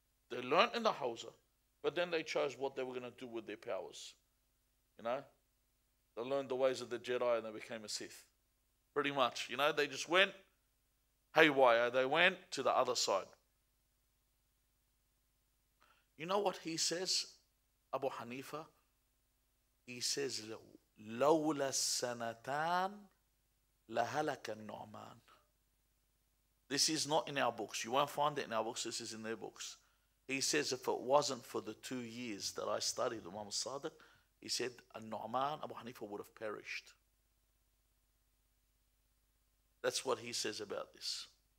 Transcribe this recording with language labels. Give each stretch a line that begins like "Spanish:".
English: They learned in the Hausa, but then they chose what they were going to do with their powers. You know? They learned the ways of the Jedi and they became a Sith. Pretty much. You know? They just went haywire. They went to the other side. You know what he says, Abu Hanifa? He says,
Arabic: لولا السنتان لهلك النعمان.
English: This is not in our books. You won't find it in our books. This is in their books. He says, if it wasn't for the 2 years that I studied Imam al-Sadiq, he said, النعمان, Abu Hanifa would have perished. That's what he says about this.